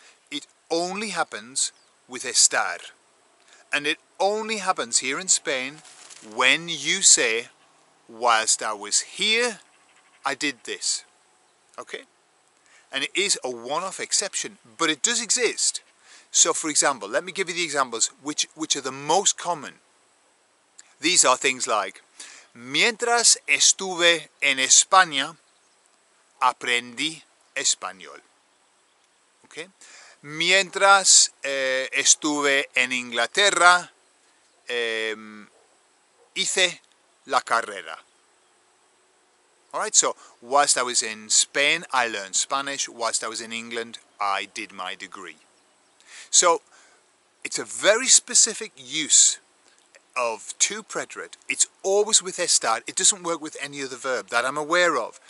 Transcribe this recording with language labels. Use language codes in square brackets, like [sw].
[en] It only happens with estar. And it only happens here in Spain when you say, whilst I was here, I did this. Okay? And it is a one-off exception, but it does exist. So, for example, let me give you the examples which are the most common. These are things like, [es] mientras estuve en España, aprendí español. Okay? Mientras estuve en Inglaterra, hice la carrera. [en] Alright, so whilst I was in Spain, I learned Spanish. Whilst I was in England, I did my degree. So it's a very specific use of two preterite. It's always with estar. It doesn't work with any other verb that I'm aware of.